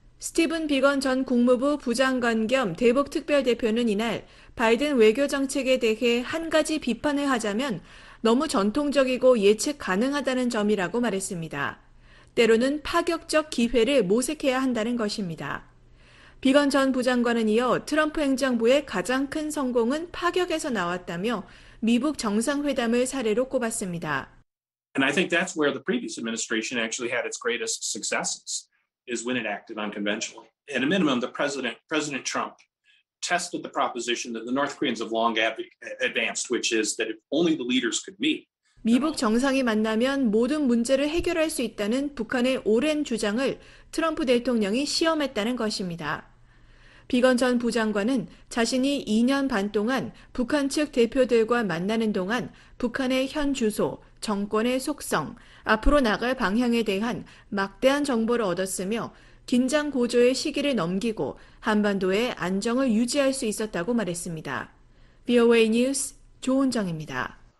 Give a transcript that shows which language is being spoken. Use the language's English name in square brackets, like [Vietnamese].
[Korean] 스티븐 비건 전 국무부 부장관 겸 대북특별대표는 이날 바이든 외교정책에 대해 한 가지 비판을 하자면 너무 전통적이고 예측 가능하다는 점이라고 말했습니다. 때로는 파격적 기회를 모색해야 한다는 것입니다. 비건 전 부장관은 이어 트럼프 행정부의 가장 큰 성공은 파격에서 나왔다며 미북 정상회담을 사례로 꼽았습니다. [English] And I think that's where the previous administration actually had its greatest successes. Is when it acted unconventionally. At a minimum, the President Trump tested the proposition that the North Koreans have long advanced, which is that if only the leaders could meet. [Korean] 미북 정상이 만나면 모든 문제를 해결할 수 있다는 북한의 오랜 주장을 트럼프 대통령이 시험했다는 것입니다. 비건 전 부장관은 자신이 2년 반 동안 북한 측 대표들과 만나는 동안 북한의 현 주소, 정권의 속성, 앞으로 나갈 방향에 대한 막대한 정보를 얻었으며 긴장 고조의 시기를 넘기고 한반도의 안정을 유지할 수 있었다고 말했습니다. VOA 뉴스 조은정입니다.